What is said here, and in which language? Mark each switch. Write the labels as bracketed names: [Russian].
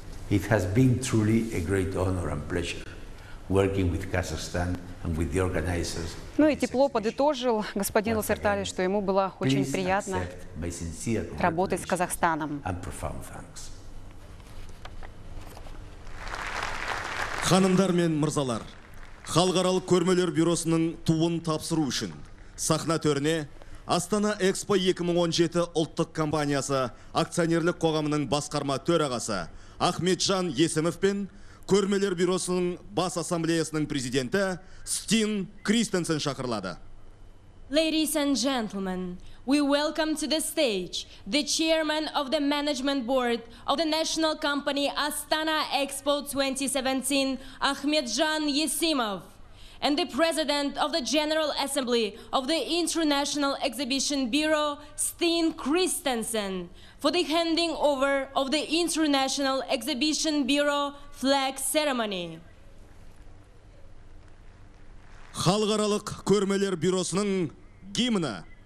[English] It has been truly a great honor and pleasure working with Kazakhstan and with the organizers. [Russian] Ну и тепло подытожил господин Лосерталес, что ему было очень приятно работать с Казахстаном. [English] And profound thanks. [Kazakh] Ханымдар мен мырзалар, халықаралық көрмелер бюросының туын тапсыру үшін сахна төріне Астана Экспо 2017 ұлттық компаниясы акционерлік қоғамының басқарма төрағасы Ахметжан Есімов пен көрмелер бюросының бас ассамблеясының президенті Стин Кристенсен шақырлады. [English] Ladies and gentlemen, we welcome to the stage the chairman of the management board of the national company Astana Expo 2017, Ахметжан Есімов. And the President of the General Assembly of the International Exhibition Bureau, Stine Christensen, for the handing over of the International Exhibition Bureau flag ceremony. [Kazakh] Халықаралық көрмелер бюросының гимні.